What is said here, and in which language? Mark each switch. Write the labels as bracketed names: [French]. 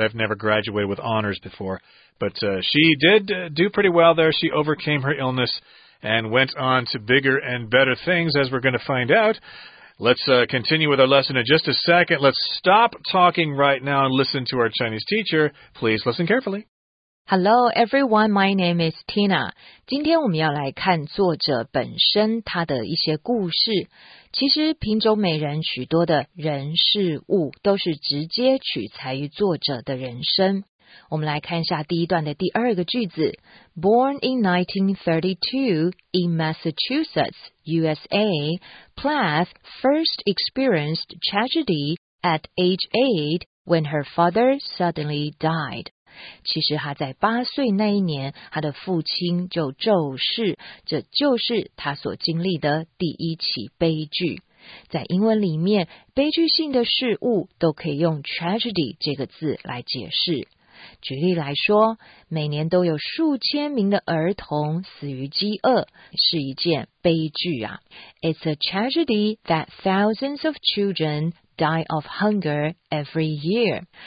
[English] I've never graduated with honors before. But she did do pretty well there. She overcame her illness and went on to bigger and better things, as we're going to find out. Let's continue with our lesson in just a second. Let's stop talking right now and listen to our Chinese teacher. Please listen carefully. Hello, everyone. My name is Tina. [Chinese] 今天我们要来看作者本身他的一些故事。其实瓶中美人许多的人事物都是直接取材于作者的人生。我们来看一下第一段的第二个句子。 [English] Born in 1932 in Massachusetts, USA, Plath first experienced tragedy at age 8 when her father suddenly died. [Chinese] 其实他在八岁那一年，他的父亲就骤逝，这就是他所经历的第一起悲剧。在英文里面，悲剧性的事物都可以用 tragedy 这个字来解释。举例来说，每年都有数千名的儿童死于饥饿，是一件悲剧啊。 [English] It's a tragedy that thousands of children die of hunger every year.